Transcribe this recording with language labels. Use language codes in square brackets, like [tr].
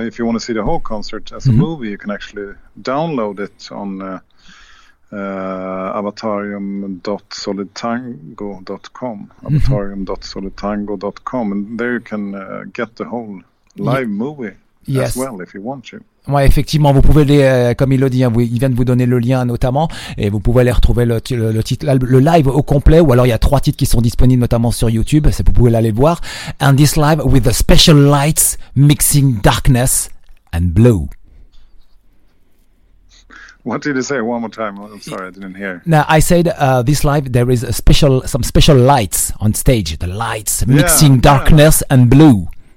[en] But if you want to see the whole concert as a movie, you can actually download it on avatarium.solidtango.com, avatarium.solidtango.com, and there you can get the whole live movie as well if you want to. [fr] Ouais, effectivement, vous pouvez les, comme il le dit, hein, il vient de vous donner le lien notamment, et vous pouvez aller retrouver le titre, le live au complet, ou alors il y a trois titres qui sont disponibles notamment sur YouTube, c'est vous pouvez aller voir. [en] And this live with the special lights mixing darkness and blue. What did you say one more time? I'm sorry, I didn't hear. No, I said this live there is a special some special lights on stage, the lights mixing darkness and blue.